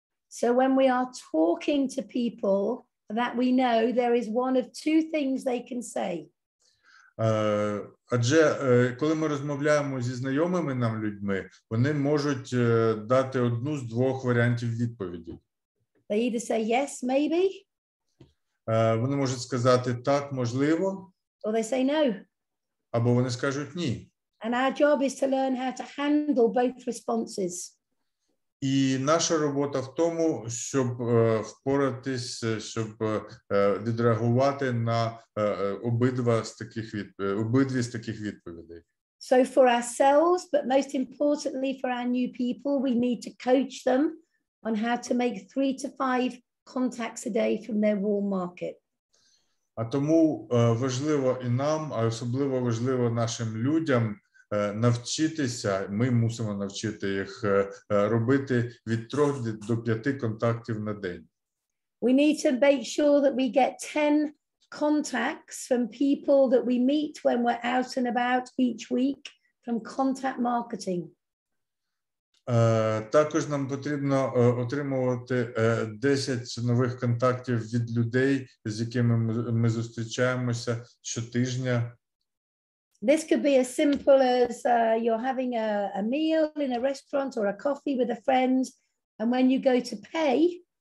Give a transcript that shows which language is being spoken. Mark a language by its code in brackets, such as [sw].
[en] So when we are talking to people that we know, there is one of two things they can say. [uk] Адже коли ми розмовляємо зі знайомими нам людьми, вони можуть дати одну з двох варіантів відповіді. [en] They either say yes, maybe. [uk] Вони можуть сказати так, можливо. [en] Or they say no. [uk] Або вони скажуть ні. [en] And our job is to learn how to handle both responses. [uk] І наша робота в тому, щоб впоратись, щоб відреагувати на обидві з таких відповідей. [en] So for ourselves, but most importantly for our new people, we need to coach them on how to make 3 to 5 contacts a day from their warm market. [uk] А тому важливо і нам, а особливо важливо нашим людям навчитися, ми мусимо навчити їх робити від 3 до 5 контактів на день. [en] We need to make sure that we get 10 contacts from people that we meet when we're out and about each week from contact marketing. [uk] Також нам потрібно отримувати 10 нових контактів від людей, з якими ми зустрічаємося щотижня. [en] This could be as simple as you're having a meal in a restaurant or a coffee with a friend, and when you go to pay.